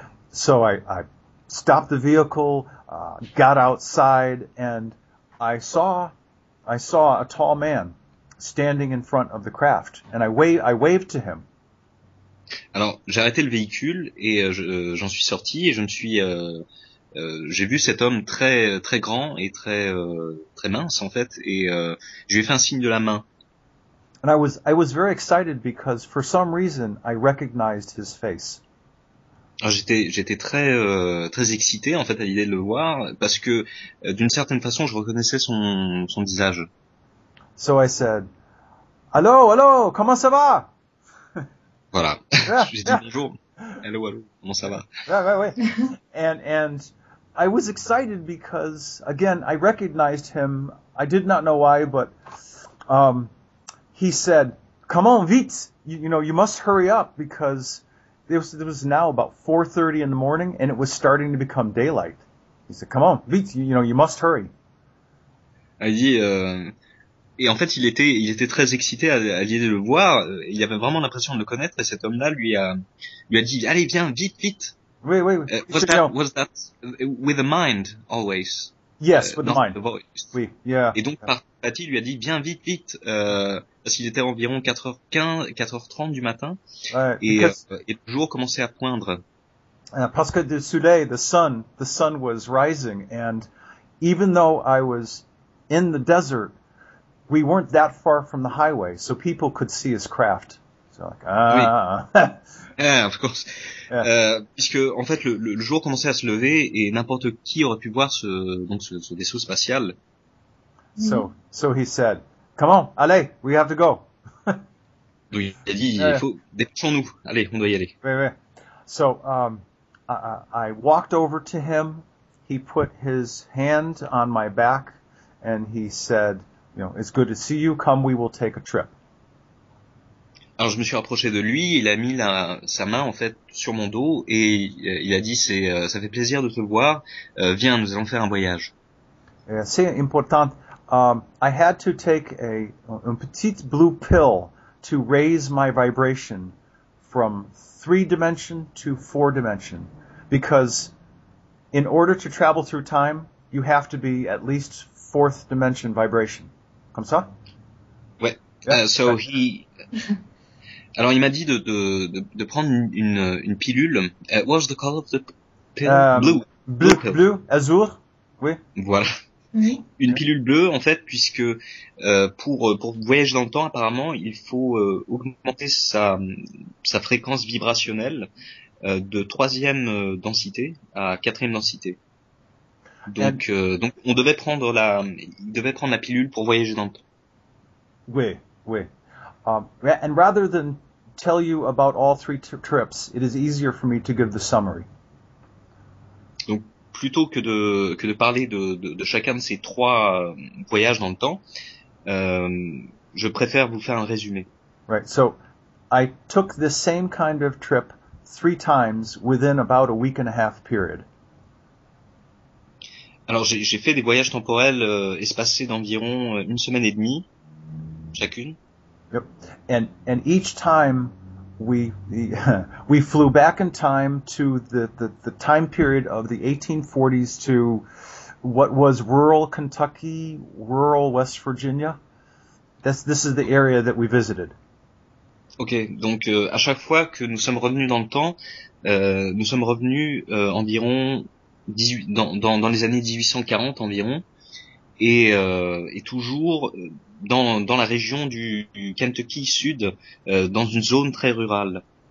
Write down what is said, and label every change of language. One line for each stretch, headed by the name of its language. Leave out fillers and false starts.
English: So I stopped the vehicle, got outside, and I saw a tall man standing in front of the craft, and I waved to him.
French: Alors, j'ai arrêté le véhicule et j'en suis sorti et j'ai vu cet homme très très grand et très très mince en fait, et je lui ai fait un signe de la main.
English: And I was very excited because for some reason I recognized his face.
French: Alors, j'étais très très excité en fait à l'idée de le voir parce que d'une certaine façon je reconnaissais son visage.
English: So I said,
French: "Allô, allô, comment ça va?" Voilà. J'ai dit bonjour. Allô, allô, comment ça va? Ouais.
English: And I was excited because again I recognized him. I did not know why, but he said, "Come on, vite! You must hurry up because it was now about 4:30 in the morning, and it was starting to become daylight." He said, "Come on, vite! You must hurry."
French: Il dit, et en fait, il était très excité à l'idée de le voir. Il avait vraiment l'impression de le connaître. Et cet homme-là lui a dit, "Allez, viens, vite, vite." Oui.
English: Was that with the mind always? Yes, with the mind. The voice.
French: Oui,
English: yeah.
French: Et donc, Patty lui a dit, "Viens, vite, vite." Parce qu'il était environ 4h15, 4h30 du matin, et le jour commençait à poindre. Parce que le soleil,
English: the sun was rising, and even though I was in the desert, we weren't that far from the highway, so people could see his craft. So like,
French: Oui.
English: Yeah, of course. Yeah.
French: Puisque en fait le jour commençait à se lever et n'importe qui aurait pu voir ce vaisseau spatial.
English: So he said, "Come on, allez, we have to go."
French: Oui, il a dit, il faut, dépêchons-nous, allez, on doit y aller. Oui.
English: So, I walked over to him, he put his hand on my back, and he said, "It's good to see you, come, we will take a trip."
French: Alors, je me suis rapproché de lui, il a mis sa main, en fait, sur mon dos, et il a dit, ça fait plaisir de te voir, viens, nous allons faire un voyage. C'est important.
English: I had to take a petite blue pill to raise my vibration from 3-dimension to 4-dimension, because in order to travel through time, you have to be at least 4th-dimension vibration.
French: Comme ça? Ouais.
English: Yeah. So he.
French: Alors il m'a dit de prendre une pilule.
English: What was the color of the pill? Blue,
French: azur. Oui. Voilà. Oui. Une pilule bleue, en fait, puisque pour voyager dans le temps, apparemment, il faut augmenter sa fréquence vibrationnelle de 3e densité à 4e densité. Donc on devait prendre la pilule pour voyager dans le temps. Oui.
English: And rather than tell you about all three trips, it is easier for me to give the summary.
French: Donc, plutôt que de parler de chacun de ces trois voyages dans le temps, je préfère vous faire un résumé.
English: Right. So, I took the same kind of trip 3 times within about a week and a half period.
French: Alors, j'ai fait des voyages temporels espacés d'environ une semaine et demie chacune.
English: Yep. And each time we flew back in time to the time period of the 1840s to what was rural Kentucky, rural West Virginia. This is the area that we visited.
French: OK, donc à chaque fois que nous sommes revenus dans le temps, nous sommes revenus environ dans les années 1840 environ, et toujours dans la région du Kentucky Sud, dans une zone très rurale.